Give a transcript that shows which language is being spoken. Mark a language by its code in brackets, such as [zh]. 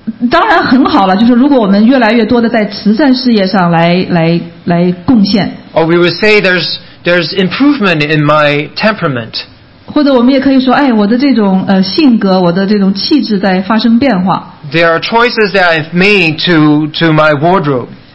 [zh] 当然很好了，就是如果我们越来越多的在慈善事业上来贡献。 [en] Or we would say there's improvement in my temperament. [zh] 或者我们也可以说，哎，我的这种性格，我的这种气质在发生变化。 [en] There are choices that I've made to my wardrobe.